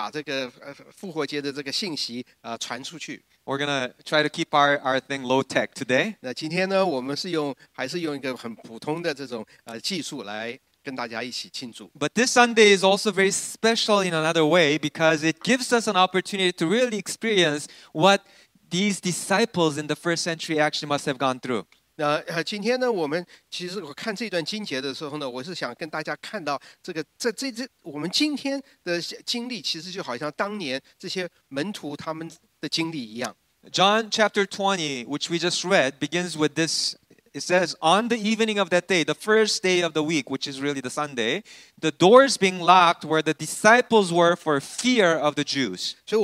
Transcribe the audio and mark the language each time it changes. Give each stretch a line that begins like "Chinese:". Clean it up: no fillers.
Chinese: 所以他们在这个教会的那个停车场上面搭了一个很大的那个高台，然后从那边就是把这个复活节的这个信息传出去。
English: We're going to try to keep our thing low-tech today.
Chinese: 那今天呢，我们是用还是用一个很普通的这种技术来跟大家一起庆祝。
English: But this Sunday is also very special in another way because it gives us an opportunity to really experience what these disciples in the first century actually must have gone through.
Chinese: 那今天呢，我们其实我看这段经节的时候呢，我是想跟大家看到这个，我们今天的经历其实就好像当年这些门徒他们的经历一样。
English: John chapter 20, which we just read, begins with this. It says, "On the evening of that day, the first day of the week, which is really the Sunday, the doors being locked where the disciples were for fear of the Jews."